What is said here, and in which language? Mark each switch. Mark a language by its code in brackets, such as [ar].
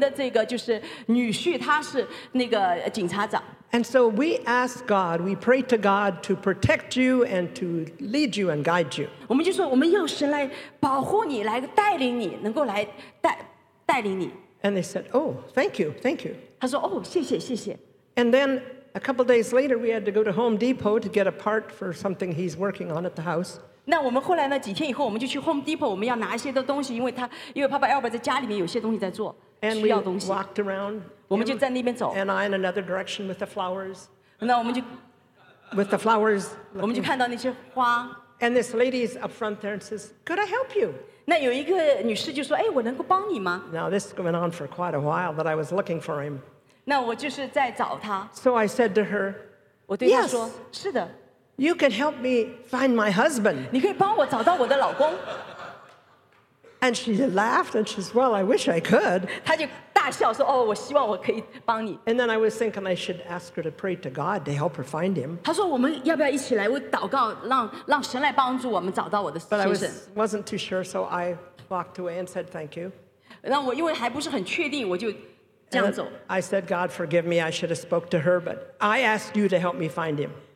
[zh] 他说我们在那个就是北温那边有我们的这个就是女婿, 他是那个警察长。 [en] And so we ask God, we pray to God to protect you and to lead you and guide you. [zh] 我们就说我们要神来保护你, 来带领你, 能够来带领你。 [en] And they said, oh, thank you, thank you. [zh] 他说, oh, 谢谢, 谢谢。 [en] And then a couple days later, we had to go to Home Depot to get a part for something he's working on at the house. [zh] 那我们后来呢, 几天以后, 我们就去 Home Depot, 我们要拿一些的东西, 因为他, 因为Papa Albert在家里面有些东西在做。 [en] And we walked around, him, and I in another direction with the flowers. [zh] 那我们就, [en] with the flowers. [zh] 我们就看到那些花, [en] and this lady is up front there and says, could I help you? [zh] 那有一个女士就说, 哎, 我能够帮你吗? [en] Now this went on for quite a while that I was looking for him. [zh] 那我就是在找他, [en] so I said to her, [zh] 我对她说, [en] yes, [zh] 是的, [en] you can help me find my husband. [zh] 你可以帮我找到我的老公。 [en] And she laughed and she says, well, I wish I could. [zh] 她就大笑说, oh, 我希望我可以帮你。 [en] And then I was thinking I should ask her to pray to God to help her find him. [zh] 她说我们要不要一起来祷告, 让神来帮助我们找到我的先生。 [en] But I wasn't too sure, so I walked away and said, thank you. [zh] 那我因为还不是很确定, 我就这样走。 [en] I said, God, forgive me, I should have spoke to her, but I asked you to help me find him.